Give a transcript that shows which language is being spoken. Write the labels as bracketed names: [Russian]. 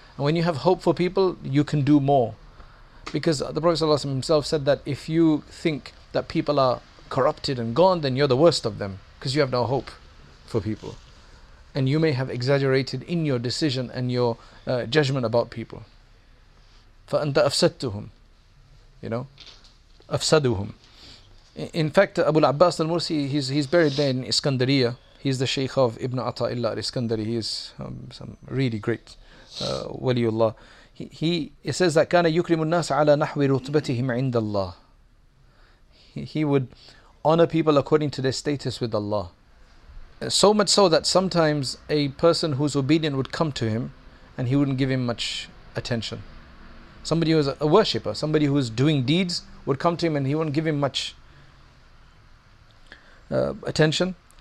[English] And when you have hope for people, you can do more. Because the Prophet ﷺ himself said that if you think that people are corrupted and gone, then you're the worst of them, because you have no hope for people. And you may have exaggerated in your decision and your judgment about people. [Arabic] فَأَنْتَ أَفْسَدْتُهُمْ, [English] you know, [Arabic] أَفْسَدُهُمْ. [English] In fact, Abu al-Abbas al-Mursi, he's buried there in Iskandariya. He's the Shaykh of Ibn Ata'illah al-Iskandari. He is some really great waliullah. He says that [Arabic] كان يكرم الناس على نحو رتبتهم عند الله. [English] He would honor people according to their status with Allah. So much so that sometimes a person who's obedient would come to him and he wouldn't give him much attention. Somebody who's a worshipper, somebody who's doing deeds, would come to him and he wouldn't give him much attention.